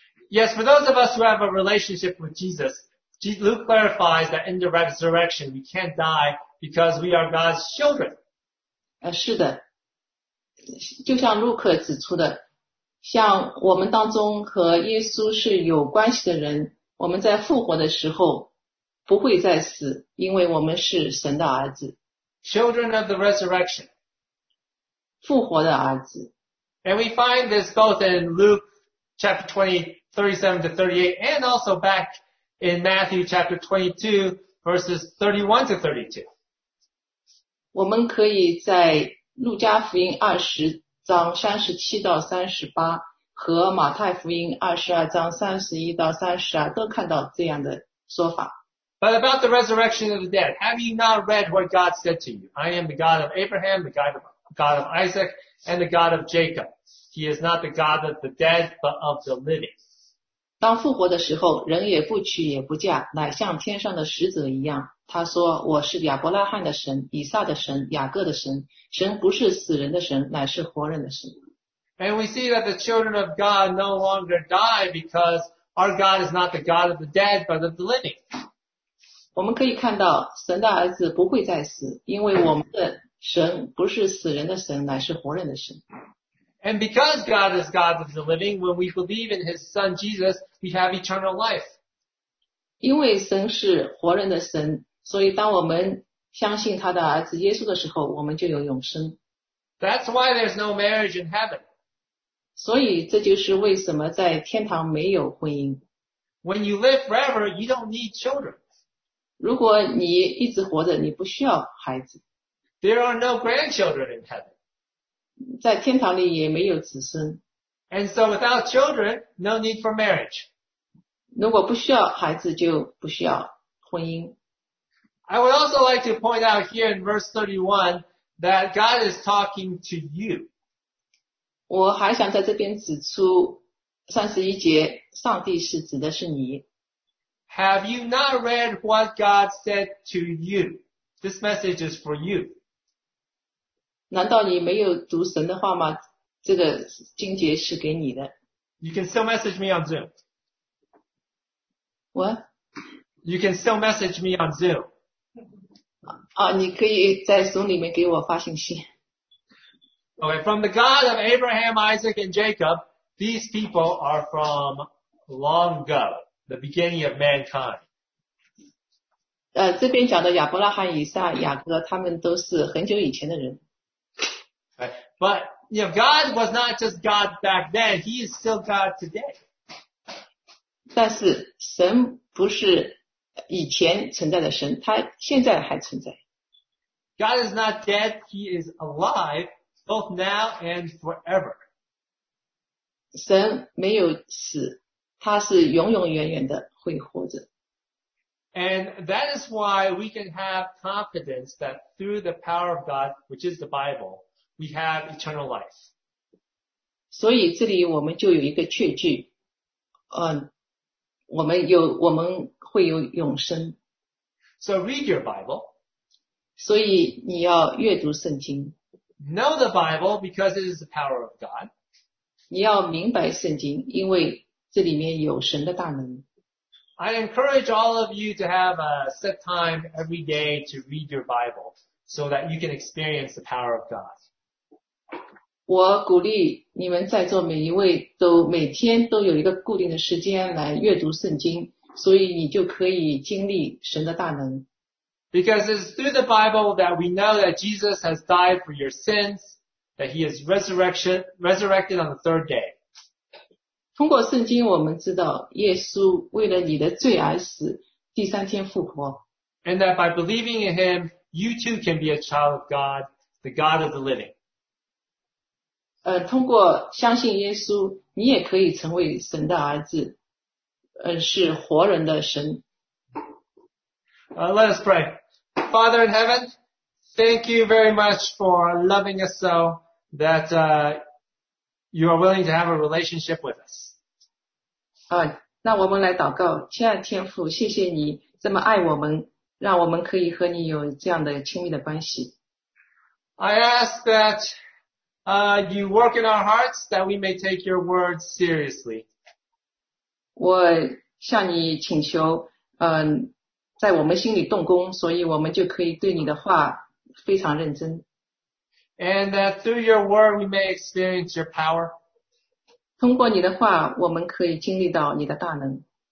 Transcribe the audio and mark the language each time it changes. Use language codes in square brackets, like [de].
[en] Yes, for those of us who have a relationship with Jesus, Luke clarifies that in the resurrection, we can't die because we are God's children. [zh] 是的，就像路克指出的。像我们当中和耶稣是有关系的人，我们在复活的时候不会再死，因为我们是神的儿子。 [en] Children of the resurrection. [zh] 复活的儿子。 [en] And we find this both in Luke chapter 20, 37 to 38, and also back in Matthew chapter 22, verses 31 to 32. [zh] 我们可以在路加福音二十章三十七到三十八和马太福音二十二章三十一到三十二都看到这样的说法。 [en] But about the resurrection of the dead, have you not read what God said to you? I am the God of Abraham, the God of Isaac, and the God of Jacob. He is not the God of the dead, but of the living. [zh] 当复活的时候，人也不娶也不嫁，乃像天上的使者一样。他说我是亚伯拉罕的神以撒的神雅各的神神不是死人的神乃是活人的神 [en] And we see that the children of God no longer die because our God is not the God of the dead but of the living [zh] 我们可以看到神的儿子不会再死因为我们的神不是死人的神乃是活人的神 [en] And because God is God of the living when we believe in his son Jesus we have eternal life [zh] 因为神是活人的神所以当我们相信他的儿子耶稣的时候我们就有永生。 [en] That's why there's no marriage in heaven. [zh] 所以这就是为什么在天堂没有婚姻。 [en] When you live forever, you don't need children. [zh] 如果你一直活着你不需要孩子。 [en] There are no grandchildren in heaven. [zh] 在天堂里也没有子孙。 [en] And so without children, no need for marriage. [zh] 如果不需要孩子就不需要婚姻。 [en] I would also like to point out here in verse 31 that God is talking to you. [zh] 我还想在这边指出31节，上帝是指的是你。 [en] Have you not read what God said to you? This message is for you. [zh] 难道你没有读神的话吗？这个经节是给你的。 [en] You can still message me on Zoom. What? You can still message me on Zoom. [zh] 啊，你可以在 Zoom 里面给我发信息。 [en] Okay, from the God of Abraham, Isaac, and Jacob, these people are from long ago, the beginning of mankind. [zh] 这边讲的亚伯拉罕、以撒、雅各，他们都是很久以前的人。 [en] Okay, but, you know, God was not just God back then, he is still God today. [zh] 但是神不是以前存在的神，他现在还存在。 [en] God is not dead, he is alive. Both now and forever. [zh] 神没有死，他是永永远远的会活着。 [en] And that is why we can have confidence that through the power of God, which is the Bible, we have eternal life. [zh] 所以这里我们就有一个确据，我们会有永生。 [en] So read your Bible. [zh] 所以你要阅读圣经。 [en] Know the Bible because it is the power of God. [zh] 你要明白圣经，因为这里面有神的大能。 [en] I encourage all of you to have a set time every day to read your Bible so that you can experience the power of God. [zh] 我鼓励你们在座每一位都每天都有一个固定的时间来阅读圣经，所以你就可以经历神的大能。 [en] Because it's through the Bible that we know that Jesus has died for your sins, that he is resurrected on the third day. [zh] 通过圣经我们知道耶稣为了你的罪而死，第三天复活。 [en] And that by believing in him, you too can be a child of God, the God of the living. [zh] 通过相信耶稣，你也可以成为神的儿子，是活人的神。 [en] Let us pray. Father in heaven, thank you very much for loving us so that, you are willing to have a relationship with us. [zh] 那我们来祷告。亲爱的天父，谢谢你这么爱我们，让我们可以和你有这样的亲密的关系。 [en] I ask that, you work in our hearts that we may take your word seriously. [zh] 我向你请求，在我们心里动工，所以我们就可以对你的话非常认真。 [en] And that through your word we may experience your power. [zh] 通过你的话，我们可以经历到你的大能。